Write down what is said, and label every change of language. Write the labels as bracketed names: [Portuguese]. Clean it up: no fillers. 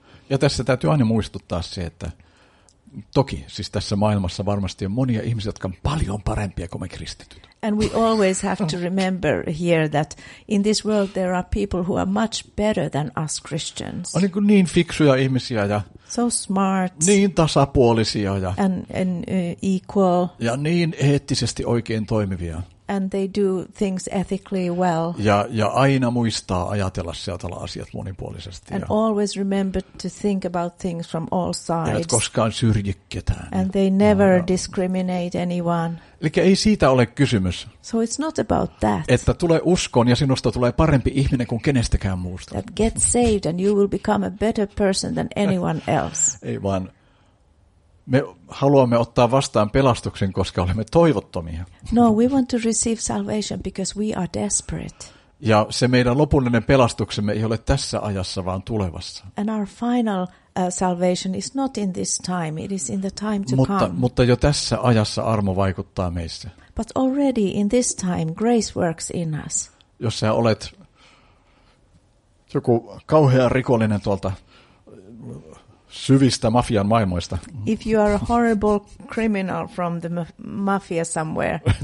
[Finnish] Ja tässä täytyy aina muistuttaa se, että toki, siis tässä maailmassa varmasti on monia ihmisiä, jotka on paljon parempia kuin me kristityt. [English] And we always have to remember here that in this world there are people who are much better than us Christians. [Finnish] On niin, niin fiksuja ihmisiä ja [English] so smart, [Finnish] niin tasapuolisia ja [English] and equal, [Finnish] ja niin eettisesti oikein toimivia. [English] And they do things ethically well. [Finnish] Ja aina muistaa ajatella sieltä asiat monipuolisesti. [English] And [Finnish] ja [English] always remember to think about things from all sides. [Finnish] Eivät koskaan syrji ketään. [English] And they never discriminate anyone. [Finnish] Eli ei siitä ole kysymys. [English] So it's not about that. [Finnish] Että tulee uskoon ja sinusta tulee parempi ihminen kuin kenestäkään muusta. [English] That get saved and you will become a better person than anyone else. [Finnish] Ei vaan. Me haluamme ottaa vastaan pelastuksen, koska olemme toivottomia. [English] No, we want to receive salvation because we are desperate. [Finnish] Ja se meidän lopullinen pelastuksemme ei ole tässä ajassa, vaan tulevassa. [English] And our final salvation is not in this time, it is in the time to [Finnish] mutta, [English] come. [Finnish] Mutta jo tässä ajassa armo vaikuttaa meissä. [English] But already in this time grace works in us. [Finnish] Jos sä olet joku kauhean rikollinen tuolta syvistä mafian maailmoista. [English] If you are a horrible criminal from the mafia somewhere.